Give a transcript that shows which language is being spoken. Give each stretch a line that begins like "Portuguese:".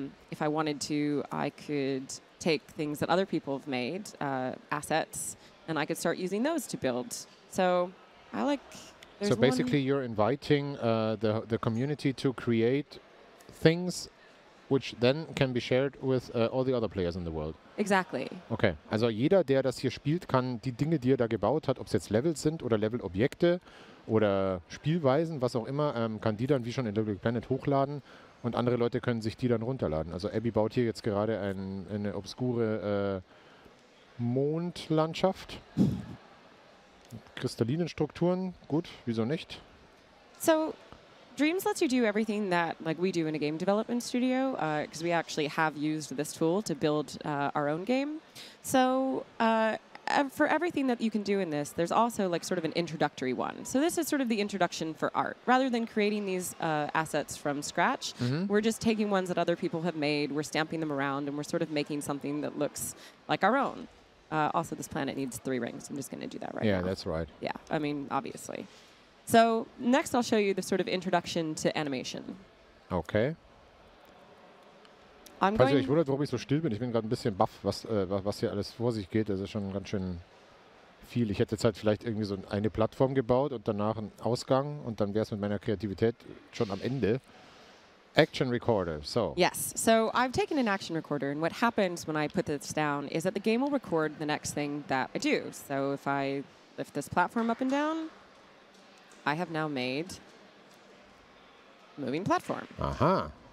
English: If I wanted to, I could take things that other people have made, assets, and I could start using those to build. So I like. So basically, you're inviting the community to create things, which then can be shared with all the other players in the world. Exactly. Okay.
German: Also jeder, der das hier spielt, kann die Dinge, die er da gebaut hat, ob es jetzt Levels sind oder Levelobjekte oder Spielweisen, was auch immer, kann die dann wie schon in Little Big Planet hochladen und andere Leute können sich die dann runterladen. Also Abby baut hier jetzt gerade eine obskure Mondlandschaft. Kristallinen Strukturen, gut, wieso nicht?
English: So Dreams lets you do everything that like we do in a game development studio, because we actually have used this tool to build our own game. So for everything that you can do in this, there's also like sort of an introductory one. So this is sort of the introduction for art. Rather than creating these assets from scratch, mm-hmm. we're just taking ones that other people have made, we're stamping them around, and we're sort of making something that looks like our own. Also, this planet needs 3 rings. I'm just going to do that right now. Yeah, that's right. Yeah, I mean, obviously. So next, I'll show you the sort of introduction to animation. Okay. I'm going.
German: Ich wundere, warum ich so still bin. Ich bin gerade ein bisschen baff, was hier alles vor sich geht. Das ist schon ganz schön viel. Ich hätte jetzt halt vielleicht irgendwie so eine Plattform gebaut und danach einen Ausgang und dann wäre es mit meiner Kreativität schon am Ende.
English: Action recorder. So. Yes. So I've taken an action recorder, and what happens when I put this down is that the game will record the next thing that I do. So if I lift this platform up and down. I have now made moving platform. Uh-huh.